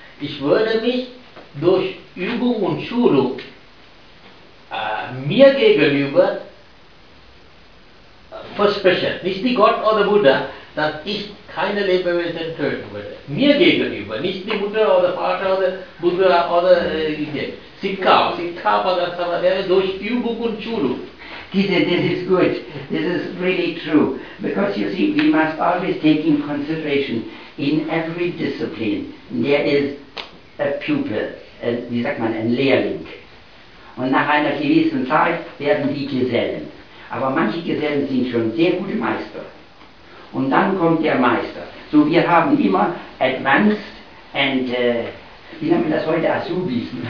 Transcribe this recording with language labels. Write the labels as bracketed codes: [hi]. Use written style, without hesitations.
[de] Ich würde mich durch Übung und Schulung mir gegenüber versprechen, nicht die Gott oder Buddha, dass ich keine Lebewesen töten würde. Mir gegenüber, nicht die Mutter oder Vater oder Buddha [pi] Sikha, Padan Samadhyani, [de] durch Übung und Schulung. [en] Gitte, this is good. This is really true. Because you see, we must always take in consideration in every discipline there is a pupil. [de] Wie sagt man, ein Lehrling. Und nach einer gewissen Zeit werden die Gesellen. Aber manche Gesellen sind schon sehr gute Meister. Und dann kommt der Meister. So, wir haben immer [en] Advanced and, [de] wie nennen wir das heute, Azubis?